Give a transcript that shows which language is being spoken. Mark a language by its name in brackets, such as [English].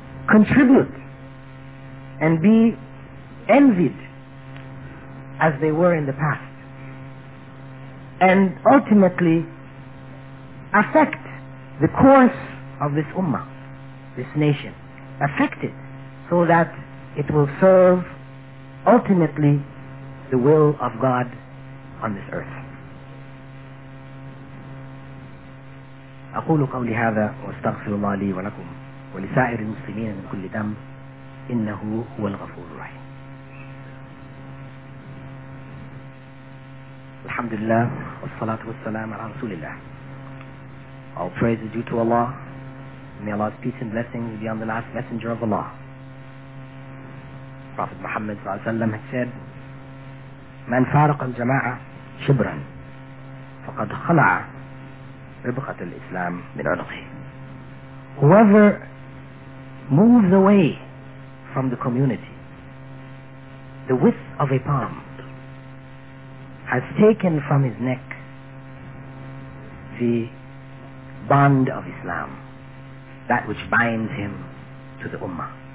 [English] contribute and be envied as they were in the past, and ultimately affect the course of this ummah, this nation, affect it so that it will serve ultimately the will of God on this earth. [Arabic] أقول قولي هذا واستغفر الله لي ولكم ولسائر المسلمين من كل ذنب إنه هو الغفور الرحيم. الحمد لله والصلاة والسلام على رسول الله. [English] All praise is due to Allah. May Allah's peace and blessings be on the last messenger of Allah. [Arabic] Prophet Muhammad صلى الله عليه وسلم [English] had said, [Arabic] من فارق الجماعة شبرا فقد خلع ربقة الإسلام من عنقه. [English] Whoever moves away from the community, the width of a palm, has taken from his neck the bond of Islam, that which binds him to the ummah.